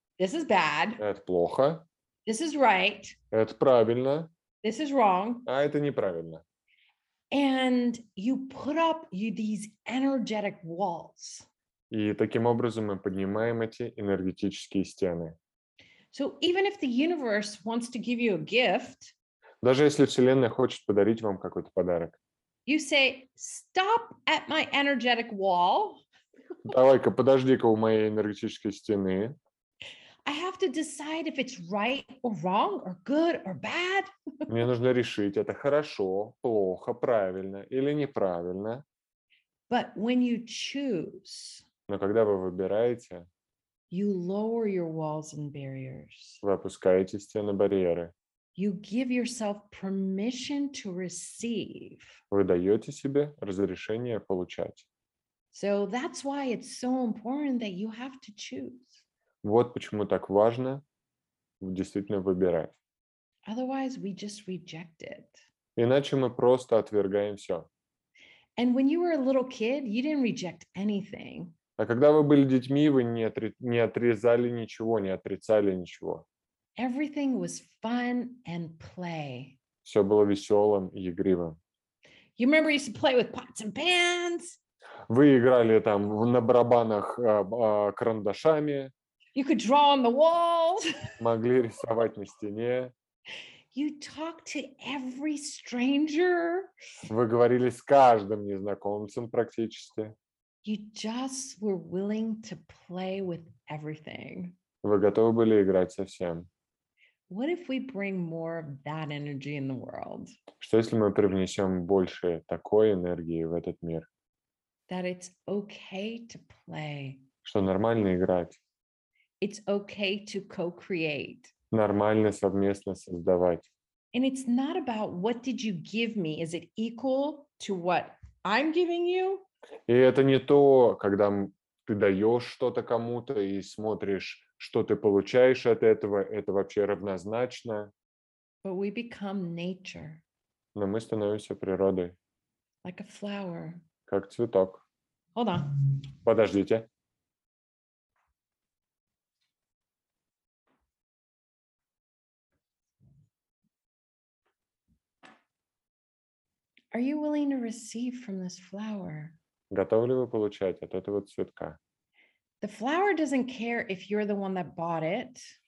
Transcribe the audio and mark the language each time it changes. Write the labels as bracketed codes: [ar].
[en] This is bad. [ru] Это плохо. [en] This is right. [ru] Это правильно. [en] This is wrong. [ru] А это неправильно. [en] And you put up these energetic walls. [ru] И таким образом мы поднимаем эти энергетические стены. [en] So even if the universe wants to give you a gift, [ru] даже если Вселенная хочет подарить вам какой-то подарок, [en] you say, stop at my energetic wall. [ru] Давай-ка, подожди-ка у моей энергетической стены. [en] I have to decide if it's right or wrong or good or bad. [ru] Мне нужно решить, это хорошо, плохо, правильно или неправильно. [en] But when you choose, [ru] но когда вы выбираете, [en] you lower your walls and barriers. [ru] Вы опускаете стены барьеры. [en] You give yourself permission to receive. [ru] Вы даете себе разрешение получать. [en] So that's why it's so important that you have to choose. [ru] Вот почему так важно действительно выбирать. [en] Otherwise, we just reject it. [ru] Иначе мы просто отвергаем все. [en] And when you were a little kid, you didn't reject anything. [ru] А когда вы были детьми, вы не отрезали ничего, не отрицали ничего. [en] Everything was fun and play. [ru] Все было веселым и игривым. [en] You remember you used to play with pots and pans? [ru] Вы играли там на барабанах карандашами. [en] You could draw on the walls. [ru] Могли рисовать на стене. [en] You talked to every stranger. [ru] Вы говорили с каждым незнакомцем практически. [en] You just were willing to play with everything. [ru] Вы готовы были играть со всем. [en] What if we bring more of that energy in the world? [ru] Что если мы привнесем больше такой энергии в этот мир? [en] That it's okay to play. [ru] Что нормально играть. [en] It's okay to co-create. [ru] Нормально совместно создавать. [en] And it's not about what did you give me? Is it equal to what I'm giving you? [ru] И это не то, когда ты даешь что-то кому-то и смотришь, что ты получаешь от этого, это вообще равнозначно. [en] But we become nature. [ru] Но мы становимся природой. [en] Like a flower. [ru] Как цветок. [en] Hold on. [ru] Подождите. [en] Are you willing to receive from this flower? [ru] Готовы ли вы получать от этого цветка? [en] The flower doesn't care if you're the one that bought it.